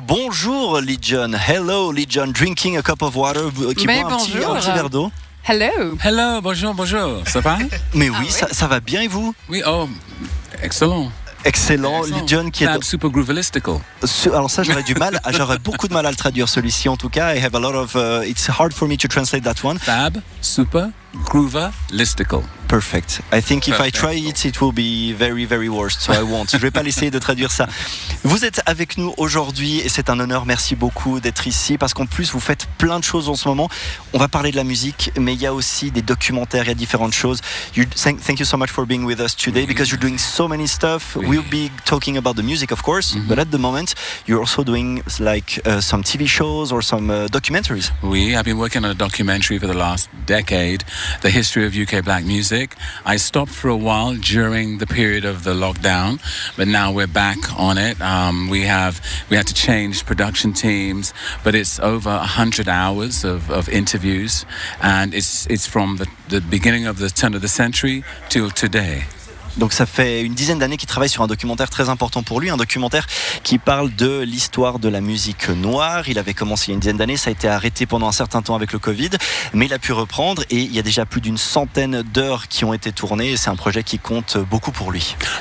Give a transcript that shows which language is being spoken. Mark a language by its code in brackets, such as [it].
[en] Bonjour Lee John, hello Lee John, drinking a cup of water, qui [fr] mais boit bonjour. Un petit verre d'eau. [en] Hello. Hello, [fr] bonjour, bonjour. Ça va? Mais oui, ah, oui. Ça va bien et vous? Oui, oh, excellent. Excellent, Lee John qui [en] Fab super groovalistical. [fr] Alors ça, j'aurais beaucoup de mal à le traduire celui-ci en tout cas. [en] I have a lot of, it's hard for me to translate that one. Fab super groovalistical. Perfect. I think if Perfect. I try it, it will be very, very worst. So I won't. [fr] Je ne vais pas essayer de traduire ça. Vous êtes avec nous aujourd'hui et c'est un honneur. Merci beaucoup d'être ici parce qu'en plus, vous faites plein de choses en ce moment. On va parler de la musique, mais il y a aussi des documentaires, il y a différentes choses. [en] Thank you so much for being with us today because you're doing so many stuff. Oui. We'll be talking about the music, of course. Mm-hmm. But at the moment, you're also doing like some TV shows or some documentaries. Oui, I've been working on a documentary for the last decade, The History of UK Black Music. I stopped for a while during the period of the lockdown, but now we're back on it. We had to change production teams, but it's over 100 hours of interviews, and it's from the beginning of the turn of the century till today. [fr] Donc ça fait une dizaine d'années qu'il travaille sur un documentaire très important pour lui, un documentaire qui parle de l'histoire de la musique noire. Il avait commencé il y a une dizaine d'années, ça a été arrêté pendant un certain temps avec le Covid, mais il a pu reprendre et il y a déjà plus d'une centaine d'heures qui ont été tournées et c'est un projet qui compte beaucoup pour lui.